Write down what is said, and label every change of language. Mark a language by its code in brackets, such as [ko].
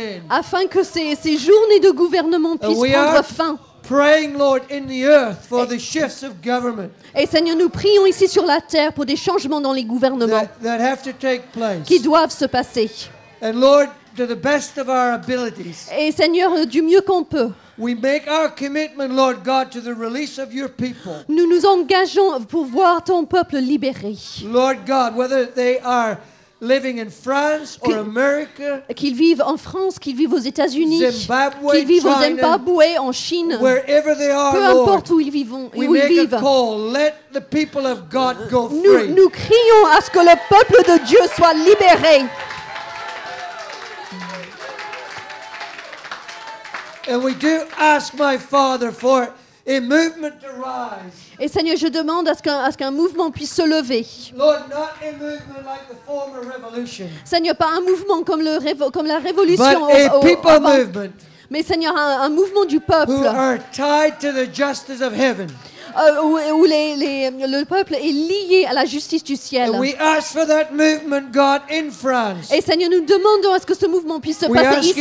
[fr] Afin que ses journées de gouvernement puissent prendre fin. [en] Praying, Lord, in the earth for the shifts of government. [fr] Et Seigneur, nous prions ici sur la terre pour des changements dans les gouvernements [en] that have to take place. [fr] Qui doivent se passer. [en] And Lord, to the best of our abilities. [fr] Et Seigneur, du mieux qu'on peut. [en] We make our commitment, Lord God, to the release of your people. [fr] Nous nous engageons pour voir ton peuple libéré. [en] Lord God, whether they are living in France or America. [fr] Qu'ils vivent en France, qu'ils vivent aux États-Unis. [en] Zimbabwe, [fr] qu'ils vivent [en] China, [fr] au Zimbabwe, en Chine. [en] Wherever they are, [fr] peu importe [en] Lord, [fr] où ils vivent. [en] We [fr] où ils [en] make [fr] vivent. [en] A call, let the people of God go free. [fr] Nous crions à ce que le peuple de Dieu soit libéré. [en] And we do ask my Father for a movement to rise. [fr] Et Seigneur, je demande à ce qu'un mouvement puisse se lever. [en] Lord, not a movement like the former revolution. [fr] Seigneur, pas un mouvement comme la révolution. [en] But a people movement. [fr] Mais Seigneur, un mouvement du peuple. [en] Who are tied to the justice of heaven. [fr] Où le peuple est lié à la justice du ciel. [en] And we ask for that movement, God, in France. [fr] Et Seigneur, nous demandons à ce que ce mouvement puisse se passer ici